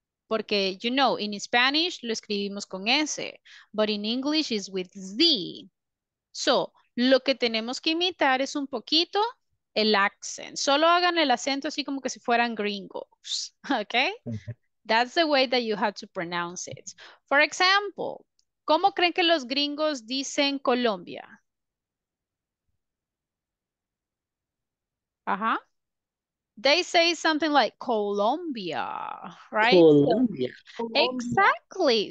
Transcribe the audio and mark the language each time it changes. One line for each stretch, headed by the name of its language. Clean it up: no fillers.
Spanish: Porque,
English: you know, in Spanish
Spanish: lo escribimos con S,
English: but in English is with Z.
Spanish: So, lo que tenemos que imitar es un poquito el accent. Solo hagan el acento así como que si fueran gringos.
English: Okay? That's the way that you have to pronounce it. For example,
Spanish: ¿cómo creen que los gringos dicen Colombia?
English: Ajá. They say something like Colombia, right? Colombia. Exactly.